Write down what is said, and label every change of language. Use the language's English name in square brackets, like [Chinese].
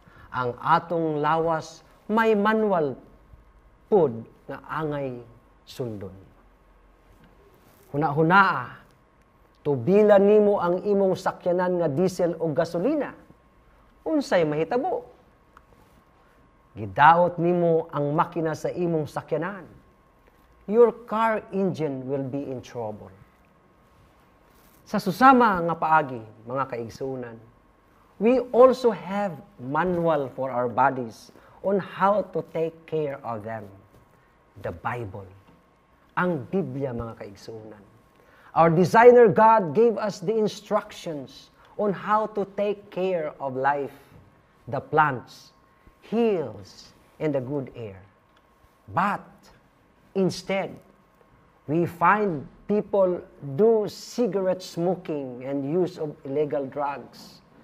[Cebuano] Ang atong lawas may manual pod na angay sundon. Huna-hunaa, tubila nimo ang imong sakyanan nga diesel o gasolina. Unsay mahitabo? Gidaot nimo ang makina sa imong sakyanan. [English] Your car engine will be in trouble. [Cebuano] Sa susama nga paagi, mga kaigsuunan, [English] we also have manual for our bodies on how to take care of them. The Bible. [Cebuano] Ang Biblia, mga kaigsuunan. [English] Our designer God gave us the instructions on how to take care of life, the plants, hills, and the good air. But instead, we find people do cigarette smoking and use of illegal drugs.